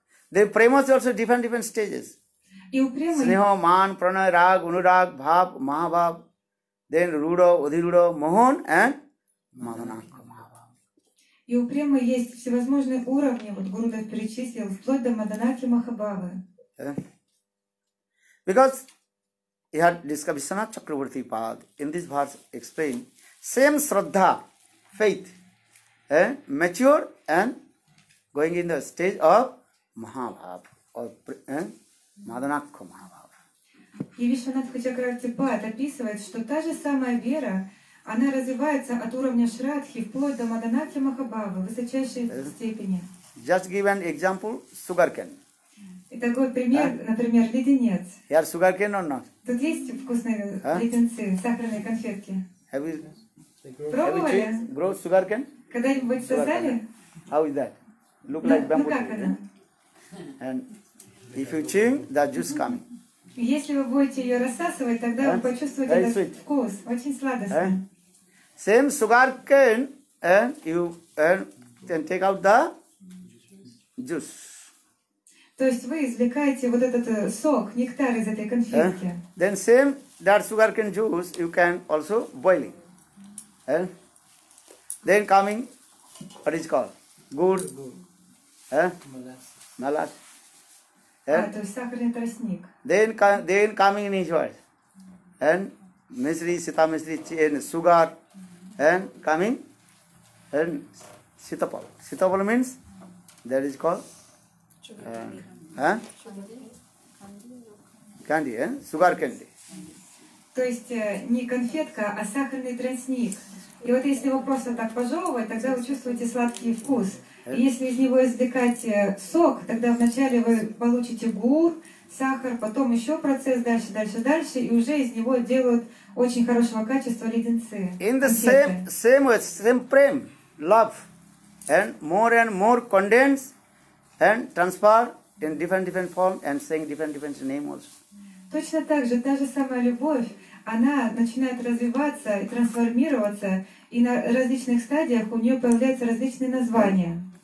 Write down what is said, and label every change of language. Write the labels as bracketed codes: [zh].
[en] The prema is also different stages. [ru] И у премы... [sa] Sneha, man, pranay, rag, unurag, bhav, mahabhav. [en] Then Rudo, Udhirudo, Mohan and Madanakya Mahabhava. [ru] И у премы есть всевозможные уровни, вот Гурудев перечислил, вплоть до Маданаки Махабхавы. [en] Because he had discovered Vishwanath Chakravarti path, in this verse explained, same Shraddha, faith, mature and going in the stage of Mahabhava or Madanakya Mahabhava. [ru] И Вишванатха Чакравти Пад описывает, что та же самая вера, она развивается от уровня Шраддхи вплоть до Маданатхи Махабхавы, высочайшей степени. [en] Just give an example, sugarcane. [ru] И такой пример, например, леденец. [en] Here sugarcane or not? [ru] Тут есть вкусные леденцы, сахарные конфетки. [en] Have you [ru] пробовали? [en] Have you grow sugarcane? [ru] Когда-нибудь создали? [en] How is that? Look like bamboo. [ru] Ну, как она? [en] And if you chew, the juice coming. [ru] Если вы будете ее рассасывать, тогда вы почувствуете этот sweet. Вкус. Очень сладостный. [en] Same sugar cane, you can take out the juice. [ru] То есть вы извлекаете вот этот сок, нектар из этой конфетки. [en] Then same that sugar cane juice, you can also boil it. Then coming, what is called? Good. Malas. [ru] То есть сахарный тростник. [en] Then coming in his words. And Misri, Sita Misri, and sugar. And coming. And Sitapal. Sitapal means that is called candy. Sugar candy. [ru] То есть не конфетка, а сахарный тростник. И вот если его просто так пожевывать, тогда вы чувствуете сладкий вкус. Если из него извлекать сок, тогда вначале вы получите гур, сахар, потом еще процесс дальше, дальше, дальше, и уже из него делают очень хорошего качества леденцы. [en] In the same prem, love, and more condense and transfer in different form and saying different name also. [ru] Точно так же, та же самая любовь, она начинает развиваться и трансформироваться, и на различных стадиях у нее появляются различные названия.